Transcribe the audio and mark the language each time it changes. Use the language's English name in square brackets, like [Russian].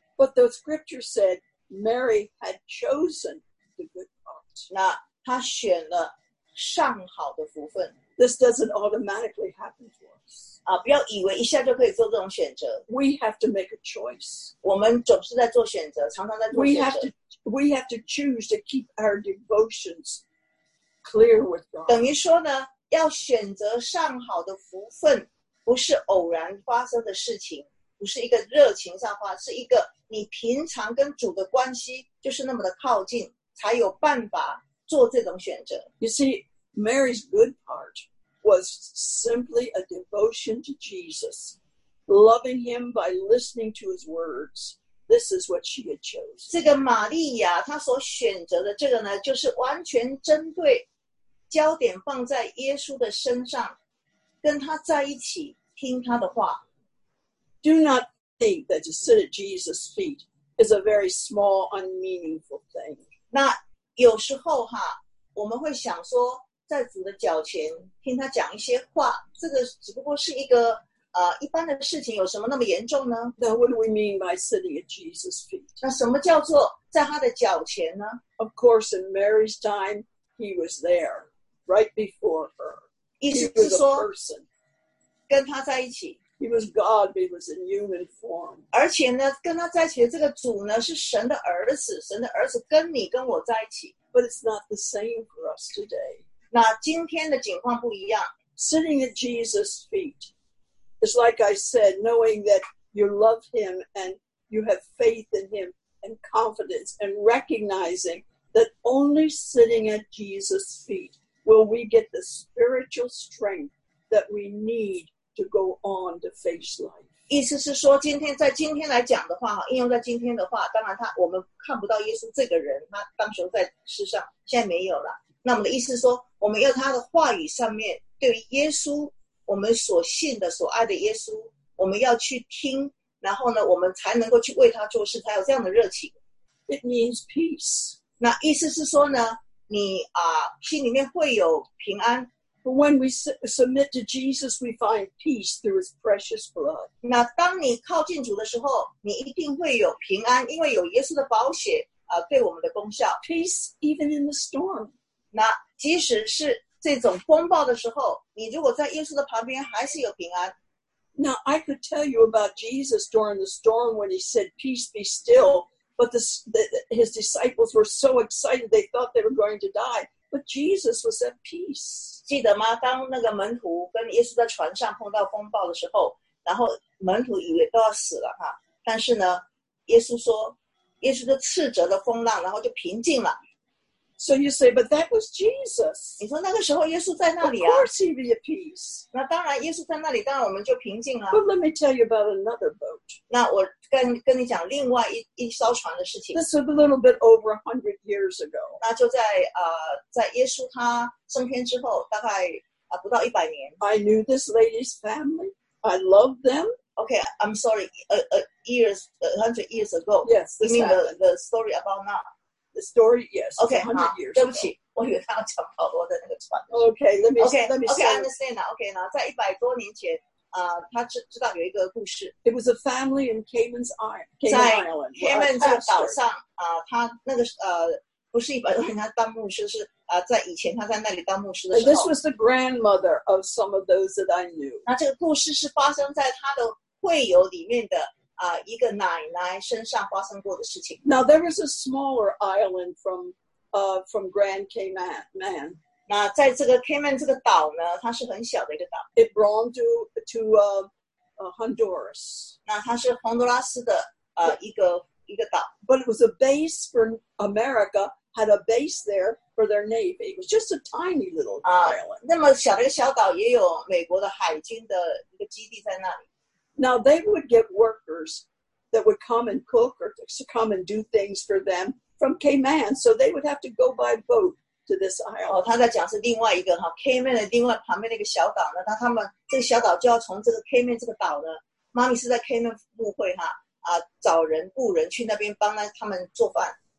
[English] But the scripture said Mary had chosen the good part. [Chinese] 那他选了上好的福分。 [English] This doesn't automatically happen to us. [Chinese] 啊，不要以为一下就可以做这种选择。 [English] We have to make a choice. [Chinese] 我们总是在做选择，常常在做选择。 [English] We have to choose to keep our devotions clear with God. [Chinese] 等于说呢，要选择上好的福分，不是偶然发生的事情，不是一个热情上发，是一个你平常跟主的关系就是那么的靠近，才有办法做这种选择。 [English] You see, Mary's good part was simply a devotion to Jesus, loving him by listening to his words. This is what she had chosen. [Chinese] 这个玛利亚她所选择的这个呢，就是完全针对焦点放在耶稣的身上，跟他在一起听他的话。 [English] Do not think that to sit at Jesus' feet is a very small, unmeaningful thing. [Chinese] 那有时候哈，我们会想说，在主的脚前听他讲一些话，这个只不过是一个一般的事情，有什么那么严重呢？ [English] Now, what do we mean by sitting at Jesus' feet? [Chinese] 那什么叫做在他的脚前呢？ [English] Of course, in Mary's time, he was there, right before her. [Chinese] 意思是说， [English] he was a person. [Chinese] 跟他在一起。 [English] He was God, but he was in human form. [Chinese] 而且呢，跟他在一起的这个主呢，是神的儿子，神的儿子跟你跟我在一起。 [English] But it's not the same for us today. [Chinese] 那今天的情况不一样。 [English] Sitting at Jesus' feet is like I said, knowing that you love him and you have faith in him and confidence and recognizing that only sitting at Jesus' feet will we get the spiritual strength that we need to go on to face life. [Chinese] 意思是说今天在今天来讲的话，应用在今天的话，当然他我们看不到耶稣这个人，他当时在世上，现在没有了。那我们的意思是说，我们要他的话语上面，对于耶稣，我们所信的，所爱的耶稣，我们要去听，然后呢，我们才能够去为他做事，才有这样的热情。 [English] It means peace. [Chinese] 那意思是说呢，你心里面会有平安。 [English] But when we submit to Jesus, we find peace through his precious blood. [Chinese] 那当你靠近主的时候，你一定会有平安，因为有耶稣的宝血对我们的功效。 [English] Peace even in the storm. [Chinese] 那即使是这种风暴的时候，你如果在耶稣的旁边还是有平安。 [English] Now, I could tell you about Jesus during the storm when he said, peace be still, but his disciples were so excited they thought they were going to die. But Jesus was at peace. [Chinese] 记得吗？当那个门徒跟耶稣在船上碰到风暴的时候，然后门徒以为都要死了哈，但是呢，耶稣说，耶稣就斥责了风浪，然后就平静了。 [English] So you say, but that was Jesus. [Chinese] 你说那个时候耶稣在那里啊？ [English] Of course he'd be at peace. [Chinese] 那当然耶稣在那里，当然我们就平静了。 [English] But let me tell you about another boat. [Chinese] 那我跟你讲另外一艘船的事情。 [English] This was a little bit over 100 years ago. [Chinese] 那就在耶稣他升天之后，大概不到100年。 [English] I knew this lady's family. I loved them. Okay, I'm sorry. A hundred years ago. Yes, you mean the story about now. The story, yes, okay, 100 years. [Chinese] 对不起，我以为他要讲保罗的那个船。 [English] Okay, let me say. Okay, I understand that. Okay, now, [Chinese] 在一百多年前，他知道有一个故事。 [English] It was a family in Cayman's Island. [Chinese] 在 Cayman 这个岛上，他那个不是一百多年，他当牧师是在以前他在那里当牧师的时候。 [English] This was the grandmother of some of those that I knew. [Chinese] 那这个故事是发生在他的会友里面的。一个奶奶身上发生过的事情。 [English] Now there is a smaller island from Grand Cayman. [Chinese] 那在这个 Cayman 这个岛呢，它是很小的一个岛。 [English] It belonged to Honduras. [Chinese] 那它是洪都拉斯的一个岛。 [English] But it was a base for America, had a base there for their navy. It was just a tiny little island. [Chinese] 那么小的一个小岛也有美国的海军的一个基地在那里。 [English] Now they would get workers that would come and cook or to come and do things for them from Cayman, so they would have to go by boat to this island. [Chinese] 哦，他在讲是另外一个哈 ，Cayman 的另外旁边那个小岛呢，那他们这个小岛就要从这个 Cayman 这个岛呢，妈咪是在 Cayman 误会哈，找人雇人去那边帮他们做饭。